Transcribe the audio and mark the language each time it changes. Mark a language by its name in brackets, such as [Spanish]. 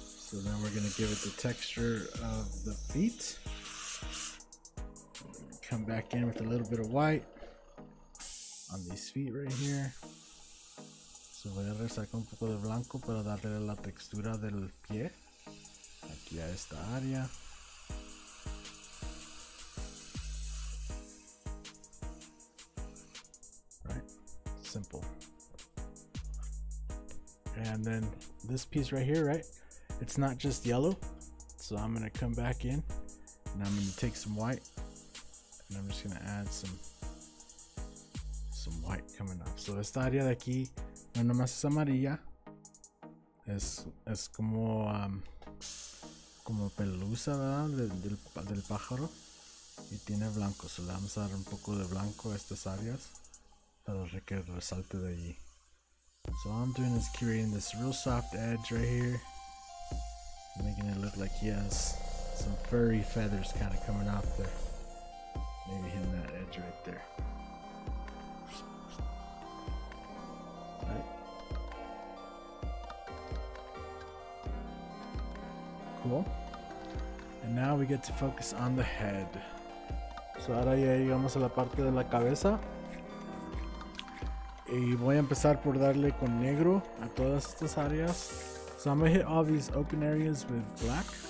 [English] So then we're gonna give it the texture of the feet. Come back in with a little bit of white on these feet right here. [Spanish] So voy a resacar un poco de blanco para darle la textura del pie aquí a esta área. [English] Right, simple. And then this piece right here, right? It's not just yellow. So I'm gonna come back in and I'm gonna take some white and I'm just gonna add some white coming off. [Spanish] So esta área de aquí no nomás es amarilla. Es como como pelusa, ¿verdad? Del pájaro. Y tiene blanco. So le vamos a dar un poco de blanco a estas áreas para que resalte de allí. [English] So all I'm doing is creating this real soft edge right here, making it look like he has some furry feathers kind of coming off there. Maybe hitting that edge right there. Right. Cool. And now we get to focus on the head. [Spanish] So ahora ya llegamos a la parte de la cabeza. Y voy a empezar por darle con negro a todas estas áreas. [English] So I'm gonna hit all these open areas with black.